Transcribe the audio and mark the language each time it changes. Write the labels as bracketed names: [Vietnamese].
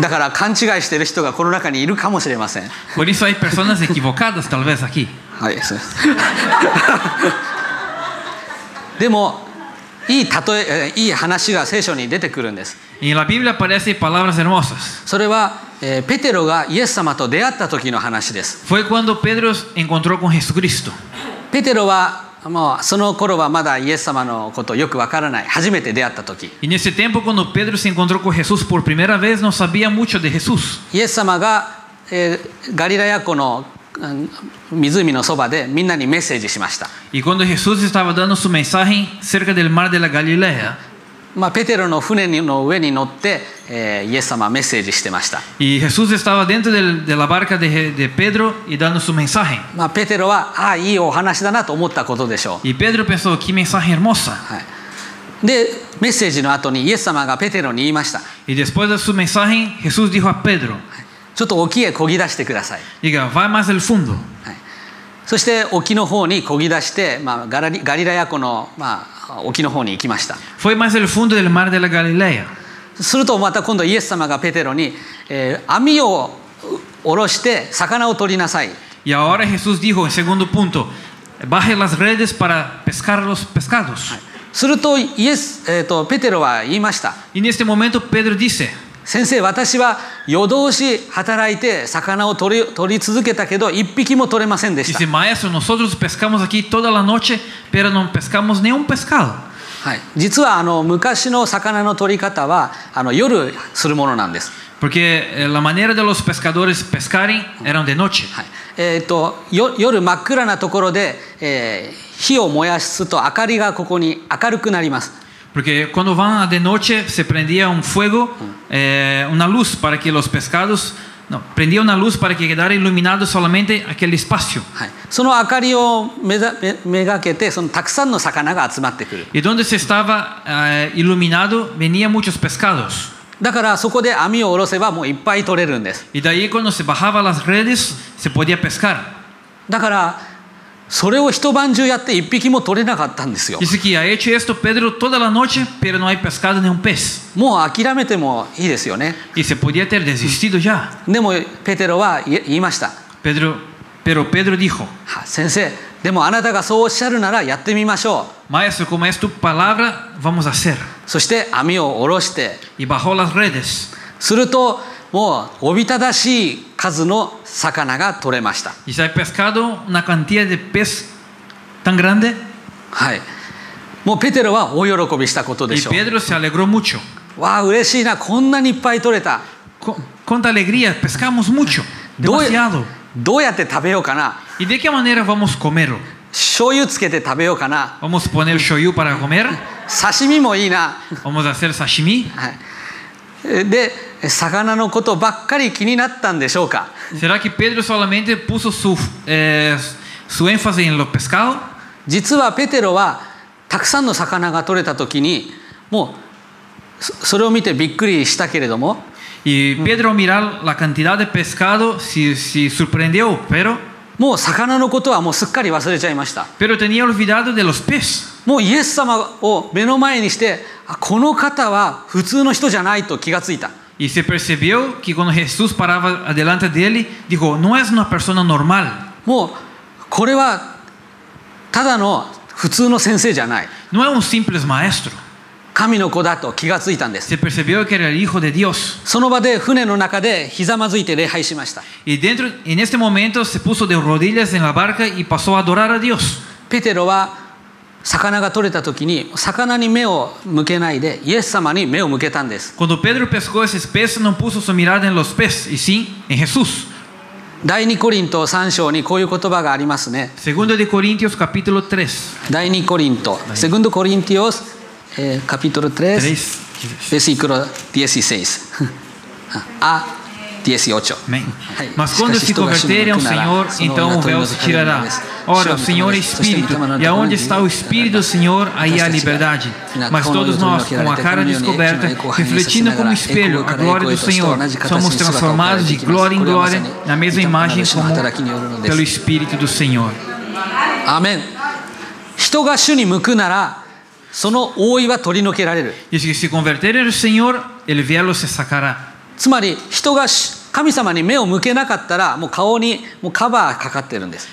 [Japanese] だから勘違いしている人がこの中にいるかもしれません。 [Spanish] Por eso hay personas equivocadas tal vez aquí. [Japanese] はい、そうです。でも、いい例え、いい話が聖書に出てくるんです。 [Spanish] En la Biblia aparecen palabras hermosas. [Japanese] それは、ペテロがイエス様と出会った時の話です。 [Spanish] Fue cuando Pedro encontró con Jesucristo. [Japanese] ペテロはもうその頃はまだイエス様のことをよくわからない初めて出会った時。 [Spanish] En ese tiempo cuando Pedro se encontró con Jesús por primera vez no sabía mucho de Jesús. [Japanese] イエス様が、ガリラヤ湖の湖のそばでみんなにメッセージしました。 [Spanish] Y cuando Jesús estaba dando su mensaje cerca del mar de la Galilea. [Japanese] まあ、ペテロの船の上に乗って、イエス様はメッセージしてました。 [Spanish] Y Jesús estaba dentro de la barca de Pedro y dando su mensaje. [Japanese] まあ、ペテロは、ああ、いいお話だなと思ったことでしょう。 [Spanish] Y Pedro pensó, qué mensaje hermoso. [Japanese] はい。で、メッセージの後にイエス様がペテロに言いました。 [Spanish] Y después de su mensaje, Jesús dijo a Pedro. [Japanese] ちょっと沖へ漕ぎ出してください。 [Spanish] Diga, va más al fondo. [Japanese] はい。そして沖の方に漕ぎ出して、まあ、ガリラヤ湖の、まあ、沖の方に行きました。 [Spanish] Fue más el fondo del mar de la Galilea. [Japanese] するとまた今度イエス様がペテロに、網を下ろして魚を取りなさい。 [Spanish] Y ahora Jesús dijo en segundo punto, baje las redes para pescar los pescados.、 [Japanese] はい、するとイエス、ペテロは言いました。 [Spanish] En este momento Pedro dice, [Japanese] 先生、私は夜通し働いて魚を取り続けたけど一匹も取れませんでした。 [Spanish] Dice, maestro, nosotros pescamos aquí toda la noche. Pero no pescamos ni un pescado. [Japanese] はい、実はあの昔の魚の取り方はあの夜するものなんです。 [Spanish] Porque la manera de los pescadores pescar era de noche. [Japanese] はい、夜真っ暗なところで、火を燃やすと明かりがここに明るくなります。 [Spanish] Porque cuando van de noche se prendía un fuego,、una luz para que los pescados no, prendía una luz para que quedara iluminado solamente aquel espacio. [Japanese] その明かりを目がけて、そのたくさんの魚が集まってくる。 [Spanish] Y donde se estaba iluminado, venía muchos pescados. [Japanese] だからそこで網を下ろせばもういっぱい取れるんです。 [Spanish] Y de ahí cuando se bajaba las redes, se podía pescar. [Japanese] だからそれを一晩中やって一匹も取れなかったんですよ。 [Spanish] Dice que ha hecho esto Pedro toda la noche, pero no hay pescado ni un pez. [Japanese] もう諦めてもいいですよね。 [Spanish] Y se podía haber desistido ya. [Japanese] でもペテロは言いました。 [Spanish] Pero Pedro dijo. [Japanese] 先生、でもあなたがそうおっしゃるならやってみましょう。 [Spanish] Maestro, como es tu palabra, vamos a hacer. [Japanese] そして網を下ろして。 [Spanish] Y bajó las redes. [Japanese] すると、もうおびただしい数の魚が取れました。 [Spanish] Y se ha pescado una cantidad de pez tan grande? [Japanese] はい。もうペテロは大喜びしたことでしょう。 [Spanish] Y Pedro se alegró mucho. [Japanese] わあ、嬉しいな、こんなにいっぱい取れた。 [Spanish] Cuánta alegría, pescamos mucho. Demasiado. [Japanese] どうやって食べようかな? [Spanish] Y de qué manera vamos a comer? [Japanese] 醤油つけて食べようかな? [Spanish] Vamos a poner 醤油 para comer? [Japanese] 刺身もいいな。 [Spanish] Vamos a hacer 刺身? [Japanese] はい。で、魚のことばっかり気になったんでしょうか。 [Spanish] Será que Pedro solamente puso su énfasis en los pescados? [Japanese] 実はペテロはたくさんの魚が取れた時にもうそれを見てびっくりしたけれども。 [Spanish] Y Pedro mira la cantidad de pescado si sorprendió, pero [Japanese] もう魚のことはもうすっかり忘れちゃいました。 [Spanish] Pero tenía olvidado de los peces. [Japanese] もうイエス様を目の前にして、この方は普通の人じゃないと気がついた。 [Spanish] Y se percibió que cuando Jesús paraba delante de él, dijo, no es una persona normal. [Japanese] もうこれはただの普通の先生じゃない。 [Spanish] No es un simple maestro. [Japanese] 神の子だと気がついたんです。 [Spanish] Se percibió que era el hijo de Dios. [Japanese] その場で船の中でひざまずいて礼拝しました。 [Spanish] Y dentro, en este momento, se puso de rodillas en la barca y pasó a adorar a Dios. [Japanese] ペテロは魚が取れた時に魚に目を向けないでイエス様に目を向けたんです。 [Spanish] Cuando Pedro pescó ese pez, no puso su mirada en los peces, y sí, en Jesús. [Japanese] 第二コリント3章にこういう言葉がありますね。 [Spanish] Segundo de Corintios capítulo 3. [Japanese] 第二コリント。 [Spanish] Segundo Corintios capítulo 3. Versículo 16. A 18. [Portuguese] Mas quando se converterem ao Senhor, então o véu se tirará. Ora, o Senhor é Espírito, e aonde está o Espírito do Senhor, aí há liberdade. Mas todos nós, com a cara descoberta, refletindo como espelho a glória do Senhor, somos transformados de glória em glória, na mesma imagem como pelo Espírito do Senhor. Amém. [Japanese] 一人が主に向くならその覆いは取り除けられる。つまり人が神様に目を向けなかったらもう顔にもうカバーかかってるんです。